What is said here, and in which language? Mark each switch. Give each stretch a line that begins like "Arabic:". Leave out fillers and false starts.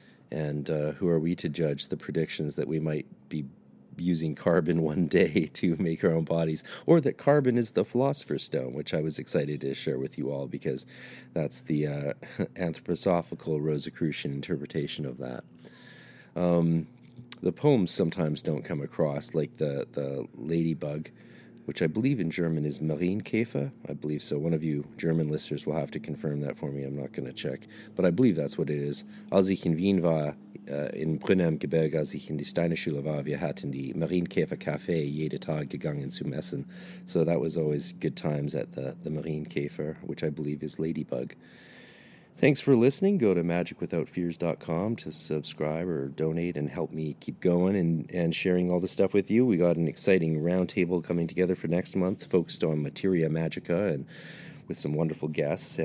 English: And who are we to judge the predictions that we might be using carbon one day to make our own bodies, or that carbon is the philosopher's stone, which I was excited to share with you all, because that's the anthroposophical Rosicrucian interpretation of that. The poems sometimes don't come across, like the ladybug, which I believe in German is Marienkäfer. I believe so. One of you German listeners will have to confirm that for me. I'm not going to check, but I believe that's what it is.
German: Als ich in Wien war, in Brünn am Gebirge, als ich in die Steinerschule war, wir hatten die Marienkäfer Café jede Tag gegangen zum Essen.
English: So that was always good times at the Marienkäfer, which I believe is ladybug. Thanks for listening. Go to magicwithoutfears.com to subscribe or donate and help me keep going and sharing all the stuff with you. We got an exciting roundtable coming together for next month focused on Materia Magica and with some wonderful guests.